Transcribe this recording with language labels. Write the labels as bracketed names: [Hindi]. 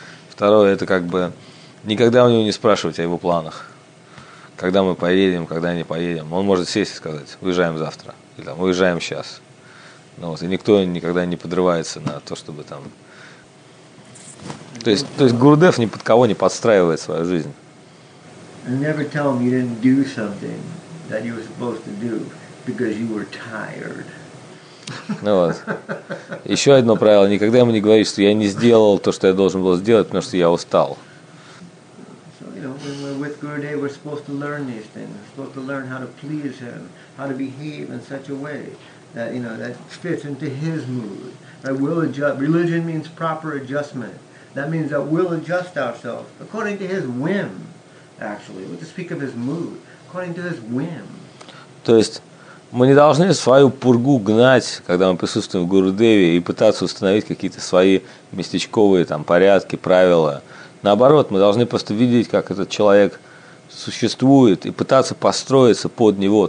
[Russian] Второе, это как бы никогда у него не спрашивать о его планах. Когда мы поедем, когда не поедем. Он может сесть и сказать, уезжаем завтра. Или там, уезжаем сейчас. Ну вот, и никто никогда не подрывается на то, чтобы там... То есть Гурудев ни под кого не подстраивает свою жизнь. [English] And never tell him you didn't do something that you were supposed to do because you were tired. [Russian] Ну вот. Еще одно правило. Никогда ему не говорить, что я не сделал то, что я должен был сделать, потому что я устал. [English] So, you know, when we're with Gurudev, we're supposed to learn these things. We're supposed to learn how to please him, how to behave in such a way that, you know, that fits into his mood. That will adjust. Religion means proper adjustment. That means that we'll adjust ourselves according to his whim, actually. We'll just speak of his mood. According to his whim. [Russian] То есть... Мы не должны свою пургу гнать, когда мы присутствуем в Гурудеве, и пытаться установить какие-то свои местечковые там, порядки, правила. Наоборот, мы должны просто видеть, как этот человек существует, и пытаться построиться под него.